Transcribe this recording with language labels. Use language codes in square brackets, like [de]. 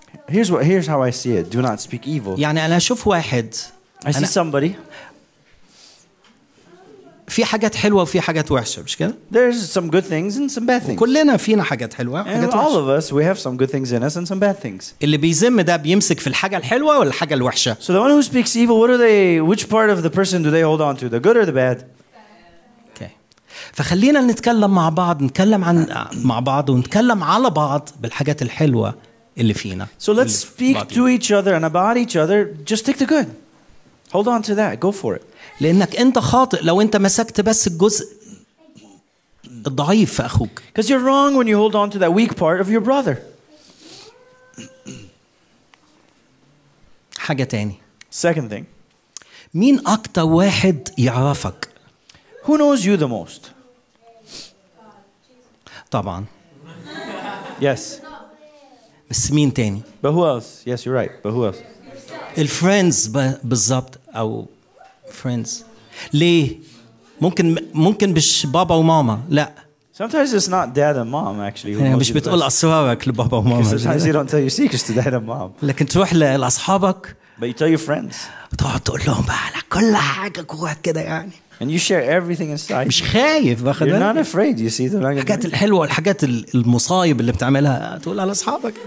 [en] here's how I see it do not speak evil [ar] يعني انا اشوف واحد [en] I see somebody [ar] في حاجات حلوة وفي حاجات وحشة مش كده؟ [en] There's some good things and some bad things. [ar] كلنا فينا حاجات حلوة وحاجات وحشة. [en] All of us we have some good things in us and some bad things. [ar] اللي بيزم ده بيمسك في الحاجة الحلوة والحاجة الوحشة. [en] So the one who speaks evil, what are they? Which part of the person do they hold on to? The good or the bad? Okay. [ar] فخلينا نتكلم مع بعض نتكلم عن مع بعض ونتكلم على بعض بالحاجات الحلوة اللي فينا. [en] So let's speak to each other and about each other. Just take the good. Hold on to that. Go for it. [ar] لأنك أنت خاطئ لو أنت مسكت بس الجزء الضعيف في أخوك. [en] Because you're wrong when you hold on to that weak part of your brother. [ar] حاجة تاني. [en] Second thing. [ar] مين أكتر واحد يعرفك؟ [en] Who knows you the most? [ar] طبعاً. [en] Yes. [ar] بس مين تاني؟ [en] But who else? Yes, you're right. But who else? [ar] الفريندز بالضبط أو friends ليه ممكن مش بابا وماما لا [en] sometimes it's not dad and mom actually [ar] يعني مش بتقول اسرارك لبابا وماما [en] sometimes you don't tell your secrets to dad and mom [ar] لكن تروح لاصحابك [en] but you tell your friends [ar] تقعد تقول لهم بقى على كل حاجه كوره كده يعني [en] and you share everything inside [ar] مش خايف واخد [en] you're not afraid you see the [ar] الحاجات الحلوه والحاجات المصايب اللي بتعملها تقول على اصحابك